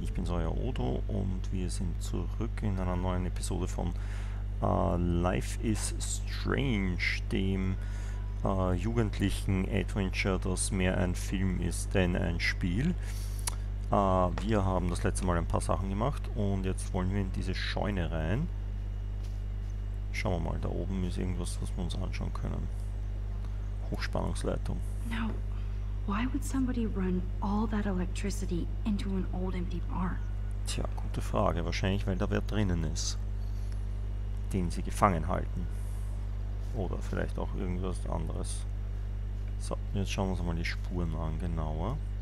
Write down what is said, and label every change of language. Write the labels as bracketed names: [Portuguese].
[German] Ich bin's, euer Odo, und wir sind zurück in einer neuen Episode von Life is Strange, dem jugendlichen Adventure, das mehr ein Film ist, denn ein Spiel. Wir haben das letzte Mal ein paar Sachen gemacht und jetzt wollen wir in diese Scheune rein. Schauen wir mal, da oben ist irgendwas, was wir uns anschauen können. Hochspannungsleitung. [English] No. Why would somebody run all that electricity into an old empty barn? [German] Tja, gute Frage. Wahrscheinlich, weil da wer drinnen ist, den sie gefangen halten. Oder vielleicht auch irgendwas anderes. So, jetzt schauen wir uns mal die Spuren an, genauer.